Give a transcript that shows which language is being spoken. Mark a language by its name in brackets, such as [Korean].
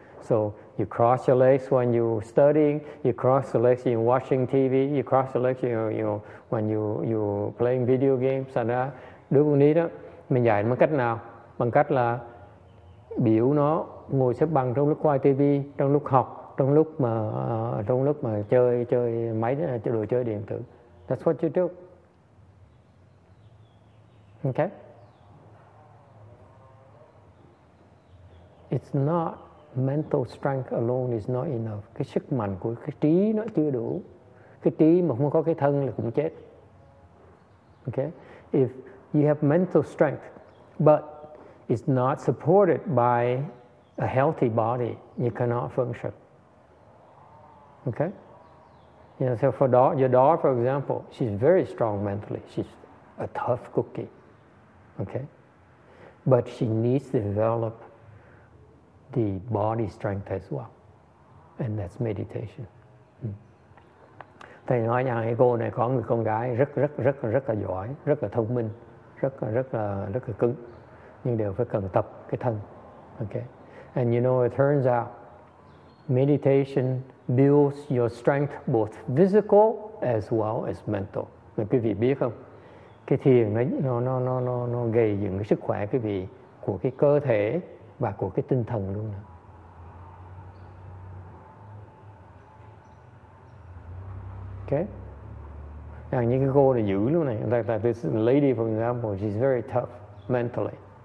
[English] So you cross your legs when you're studying, you cross your legs when you're watching TV, you cross your legs when you're playing video games. [Vietnamese] Thành ra đứa con nít đó, mình dạy bằng cách nào? Bằng cách là biểu nó ngồi xếp bằng trong lúc quay TV, trong lúc học, trong lúc mà chơi máy, chơi đồ chơi điện tử. [English] That's what you do. Okay. It's not mental strength alone is not enough. [Vietnamese] Cái sức mạnh của cái trí nó chưa đủ. Cái trí mà không có cái thân là cũng chết. Okay? [English] if you have mental strength, but it's not supported by a healthy body, you cannot function. Okay? You know, so for your daughter, for example, she's very strong mentally. She's a tough cookie. Okay? But she needs to develop the body strength as well. And that's meditation. [Vietnamese] Thầy nói rằng cái cô này có người con gái rất rất rất rất là giỏi, rất là thông minh, rất là cứng, nhưng đều phải cần tập cái thân. [English] Okay. And you know, it turns out meditation builds your strength both physical as well as mental. [Vietnamese] Mà quý vị biết không? Cái thiền nó gây dựng cái sức khỏe quý vị của cái cơ thể và của cái tinh thần luôn đó. Okay. And những cái cô này dữ luôn này. [English] Like this lady, for example, she's very tough mentally.